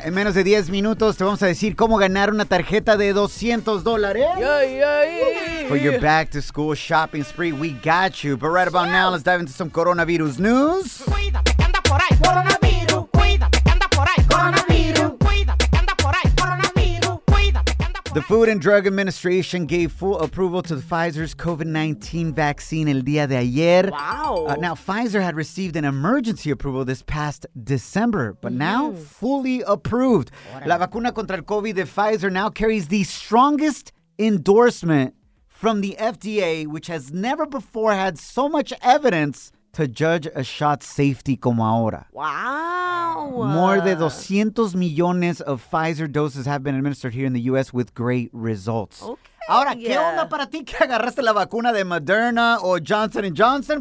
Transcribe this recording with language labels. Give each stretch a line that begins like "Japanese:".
Spanish: En menos de 10 minutos, te vamos a decir cómo ganar una tarjeta de $200. Yay, yay!
English: For your back-to-school shopping spree, we got you. But right about now, let's dive into some coronavirus news.
Spanish: Cuídate, que anda por ahí. Coronavirus.
English: The Food and Drug Administration gave full approval to the Pfizer's COVID-19 vaccine
Spanish: el día de ayer. Wow.
English: Now, Pfizer had received an emergency approval this past December, but now fully approved.
Spanish: La vacuna contra el COVID de Pfizer
English: now carries the strongest endorsement from the FDA, which has never before had so much evidence to judge a shot's safety
Spanish: como ahora. Wow.
English: More than 200 millones of Pfizer doses have been administered here in the U.S. with great results. Okay.
Spanish: Ahora, ¿qué onda para ti que agarraste la vacuna de Moderna o Johnson & Johnson?